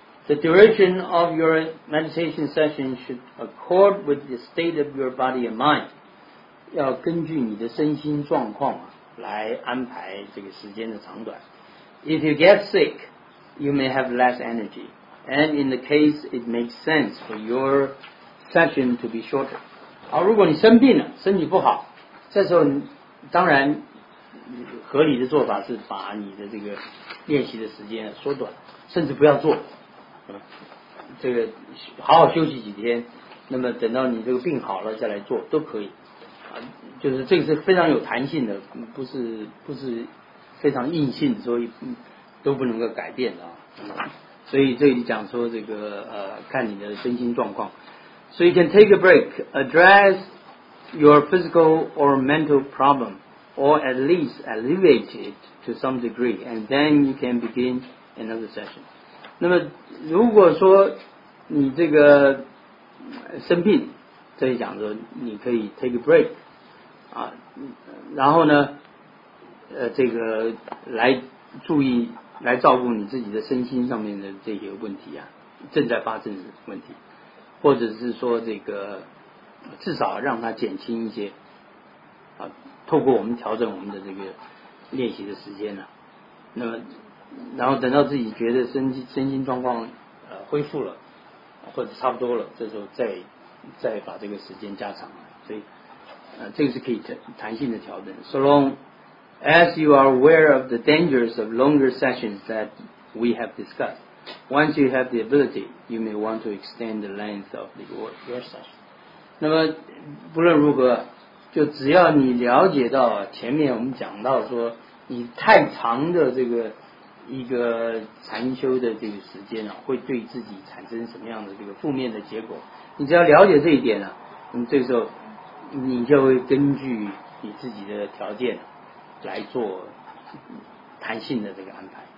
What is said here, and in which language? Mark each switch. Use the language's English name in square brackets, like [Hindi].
[English] The duration of your meditation session should accord with the state of your body and mind. [Chinese] 要根据你的身心状况啊，来安排这个时间的长短。 [English] If you get sick, you may have less energy. And in the case, it makes sense for your session to be shorter. [Chinese] 好，如果你生病了，身体不好，这时候当然合理的做法是把你的这个练习的时间缩短，甚至不要做。这个好好休息几天，那么等到你这个病好了再来做都可以，就是这个是非常有弹性的，不是非常硬性，所以都不能够改变的。所以这里讲说这个看你的身心状况。 [English] So you can take a break, address your physical or mental problem, or at least alleviate it to some degree, and then you can begin another session. [Chinese] 那么如果说你这个生病，这里讲说你可以 [English] take a break [Chinese] 啊，然后呢这个来注意来照顾你自己的身心上面的这些问题啊，正在发生的问题，或者是说这个至少让它减轻一些啊，透过我们调整我们的这个练习的时间呢、啊、那么然后等到自己觉得身心状况恢复了或者差不多了，这时候再把这个时间加长了。所以这个是可以弹性的调整。 [English] So long as you are aware of the dangers of longer sessions that we have discussed, once you have the ability, you may want to extend the length of your session. [Chinese] 那么不论如何，就只要你了解到前面我们讲到说你太长的这个一个禅修的这个时间啊，会对自己产生什么样的这个负面的结果，你只要了解这一点啊，那这时候你就会根据你自己的条件来做弹性的这个安排。